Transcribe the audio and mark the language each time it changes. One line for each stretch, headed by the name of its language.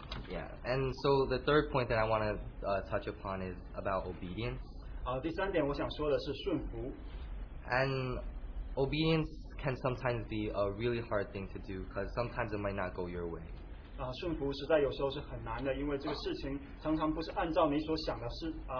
English: Yeah, and so the third point that I want to touch upon is about obedience.
Chinese: 第三点我想说的是顺服。
English: And obedience can sometimes be a really hard thing to do because sometimes it might not go your way.
Chinese: 顺服实在有时候是很难的, 因为这个事情常常不是按照你所想的是,